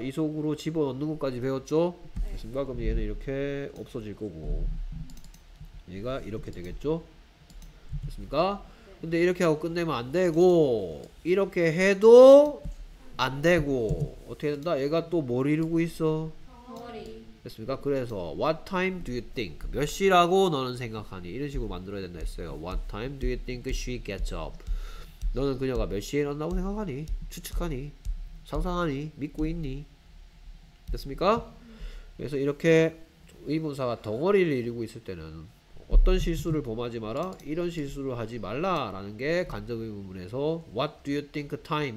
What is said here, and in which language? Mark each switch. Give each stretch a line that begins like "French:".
Korean: 이 속으로 집어넣는 것까지 배웠죠? 됐습니까? 그럼 얘는 이렇게 없어질 거고 얘가 이렇게 되겠죠? 됐습니까? 근데 이렇게 하고 끝내면 안 되고 이렇게 해도 안 되고 어떻게 된다? 얘가 또 뭘 이루고 있어? 덩어리. 됐습니까? 그래서
English: what time do you think?
Korean: 몇 시라고 너는 생각하니? 이런 식으로 만들어야 된다 했어요.
English: What time do you think she gets up?
Korean: 너는 그녀가 몇 시에 일어난다고 생각하니? 추측하니? 상상하니? 믿고 있니? 됐습니까? 그래서 이렇게 의문사가 덩어리를 이루고 있을 때는 어떤 실수를 범하지 마라, 이런 실수를 하지 말라 라는 게 간접 의문문에서
English: What do you think time?